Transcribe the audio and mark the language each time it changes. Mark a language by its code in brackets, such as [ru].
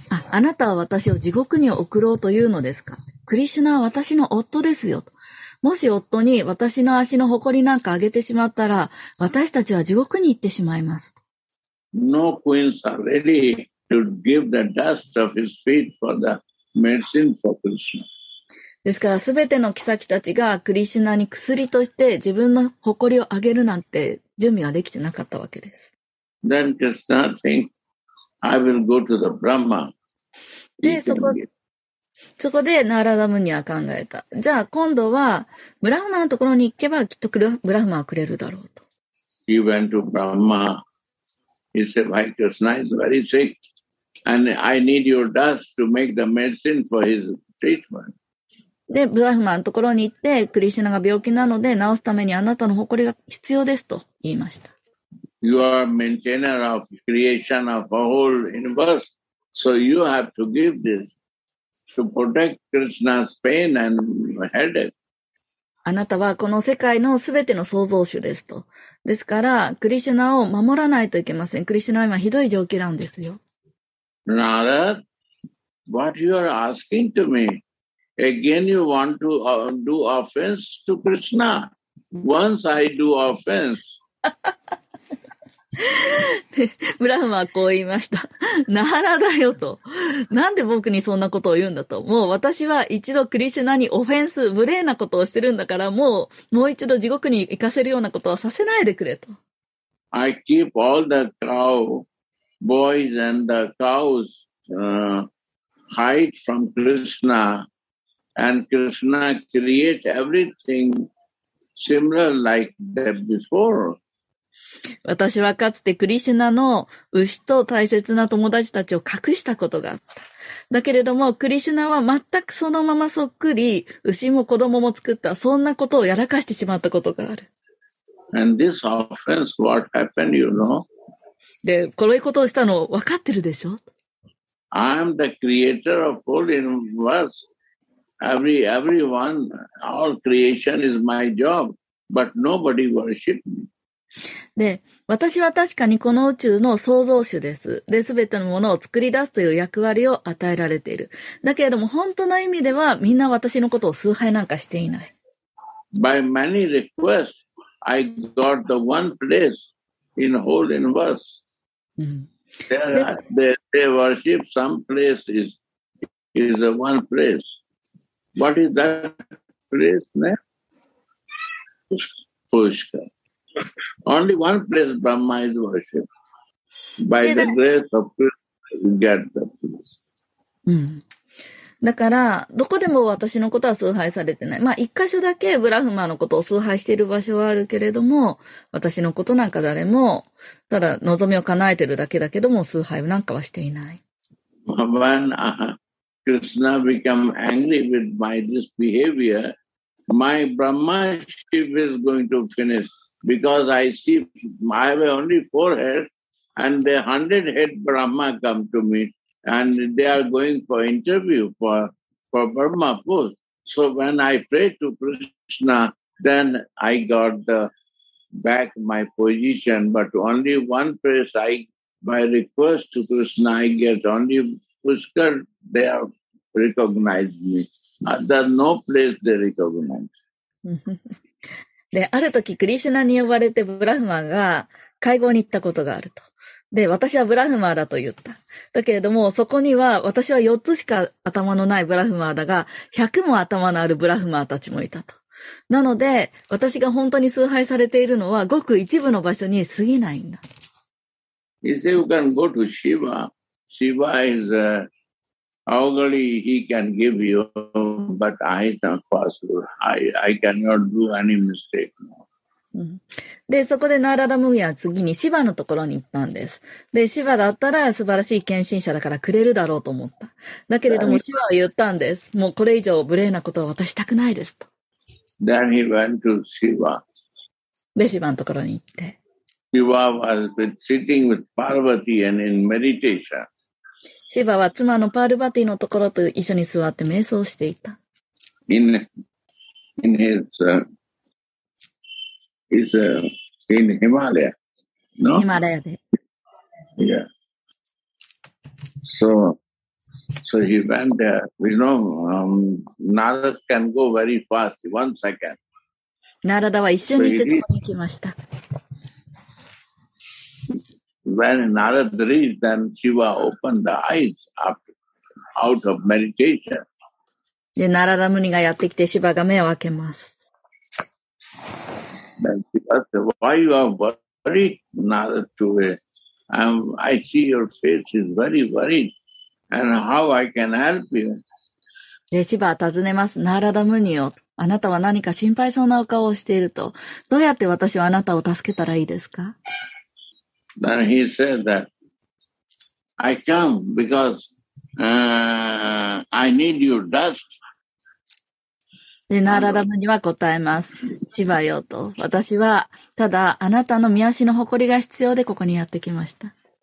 [ja] あなたは私を地獄に送ろうというのですか?クリシュナは私の夫ですよ。もし夫に私の足の埃なんかあげてしまったら、私たちは地獄に行ってしまいます。 [en] No queens are ready to give the dust of his feet for the medicine for Krishna. [ja] ですから、すべてのキサキたちがクリシュナに薬として自分の誇りをあげるなんて準備ができてなかったわけです。 [en] Then Krishna thinks, I will go to the Brahma. [ja] で、そこでナーラダムニは考えた。じゃあ、今度はブラフマのところに行けばきっとブラフマはくれるだろうと。 [en] He went to Brahma. He said, my Krishna is very sick. And I need your dust to make the medicine for his treatment. [ja] で、ブラフマンのところに行って、クリシュナが病気なので、治すためにあなたの誇りが必要ですと言いました。 [en] You are maintainer of creation of a whole universe, so you have to give this to protect Krishna's pain and headache. [ja] あなたはこの世界のすべての創造主ですと。ですから、クリシュナを守らないといけません。クリシュナは今ひどい状況なんですよ。 [en] Nara, what you are asking to me? Again, you want to do offense to Krishna. Once I do offense. [ja] ブラフマはこう言いました。ナーラだよと。なんで僕にそんなことを言うんだと。もう私は一度クリシュナにオフェンス、無礼なことをしてるんだから、もう一度地獄に行かせるようなことはさせないでくれと。 [en] I keep all the cow boys and the cows, hide from Krishna. And Krishna create everything similar like that before. [ja] 私はかつてクリシュナの牛と大切な友達たちを隠したことがあった。だけれどもクリシュナは全くそのままそっくり牛も子供も作った。そんなことをやらかしてしまったことがある。 [en] And this offense, what happened, you know? [ja] で、こういうことをしたの分かってるでしょ? [en] I'm the creator of all universe. Everyone, all creation is my job, but nobody worship me. [ja] で、私は確かにこの宇宙の創造主です。で、すべてのものを作り出すという役割を与えられている。だけれども、本当の意味ではみんな私のことを崇拝なんかしていない。 [en] By many requests, I got the one place in the whole universe. They worship some place is the one place.What is that place name? Pushkar. Only one place Brahma is worshipped. By the grace of Krishna, you get the place. [ja] だから、どこでも私のことは崇拝されてない。まあ、一箇所だけブラフマのことを崇拝している場所はあるけれども、私のことなんか誰も、ただ望みを叶えてるだけだけども、崇拝なんかはしていない。 [en] When Krishna become angry with my misbehavior, my Brahmaship is going to finish. Because I see, I have only 4 heads, and the 100-head Brahma come to me. And they are going for interview for Brahma post. So when I pray to Krishna, then I got the back my position. But only one place I, by request to Krishna, I get only Pushkar, they have recognized me. There's no place they recognize. [ja] で、ある時クリシュナに呼ばれてブラフマが会合に行ったことがあると。で、私はブラフマーだと言った。だけれども、そこには、私は4つしか頭のないブラフマーだが、100も頭のあるブラフマーたちもいたと。なので、私が本当に崇拝されているのは、ごく一部の場所に過ぎないんだ。 [en] He said, you can go to Shiva. Shiva is Augali, he can give you, but I don't possible. I cannot do any mistake now. [ja] で、そこでナーラダムギは次にシヴァのところに行ったんです。で、シヴァだったら素晴らしい献身者だからくれるだろうと思った。だけれどもシヴァは言ったんです。もうこれ以上無礼なことを渡したくないですと。 [en] Then he went to Shiva. [ja] で、シヴァのところに行って。 [en] Shiva was sitting with Parvati and in meditation. [ja] シヴァは妻のパールバティのところと一緒に座って瞑想していた。 [en] In his, is in Himalaya, no? Himalaya. Yeah. So he went there. We know Narada can go very fast. 1 second. [ja] Narada は一瞬にしてそこに来ました。 [en] When Narada reached, then Shiva opened the eyes up, out of meditation. [ja] で、Narada Muni がやってきて、Shiva が目を開けます。 [en] Then Shiva said, why you are worried, Narada, today? I see your face is very worried. And how I can help you? [ja] で、Shiva は尋ねます。ナーラダムニよ。あなたは何か心配そうなお顔をしていると。どうやって私はあなたを助けたらいいですか? [en] Then he said that, I come because I need your dust. [ja] で、ナーラダムには答えます。シヴァよと。私は、ただ、あなたの御足の誇りが必要でここにやってきました。